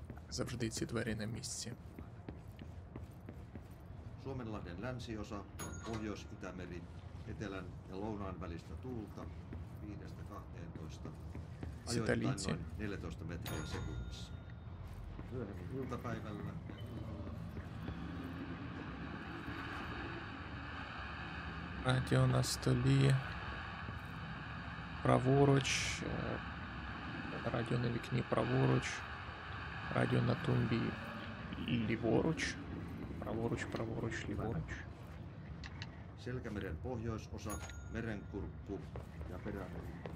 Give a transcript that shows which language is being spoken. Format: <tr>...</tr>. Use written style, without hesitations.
<uk>Завжди ці двері на місці.</uk> <fi>Suomenlahden länsiosa on Pohjois-Itämerin etelän ja lounaan välistä tuulta 5-12 ajoittain noin 14 metriä sekunnissa. Myöhemmin iltapäivällä.</fi> <uk>Радіо на столі. Праворуч. Радіо на вікні праворуч. Радіо на тумбі ліворуч. Праворуч, праворуч, ліворуч.</uk> <fi>Selkämeren pohjoisosa, merenkurkku ja perämeri.</fi>